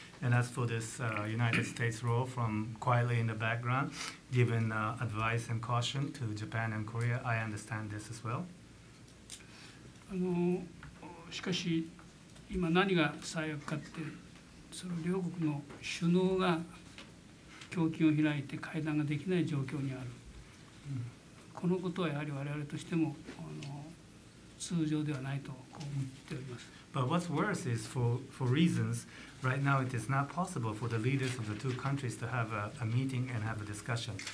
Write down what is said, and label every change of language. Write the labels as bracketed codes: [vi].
[en] And as for this United States role from quietly in the background, giving advice and caution to Japan and Korea, I understand this as well. [ja] しかし、今何が最悪かって、その両国の首脳が胸襟を開いて会談ができない状況にある。このことはやはり我々としても通常ではないとこう思っております。 [en] But what's worse is for reasons, right now it is not possible for the leaders of the two countries to have a meeting and have a discussion.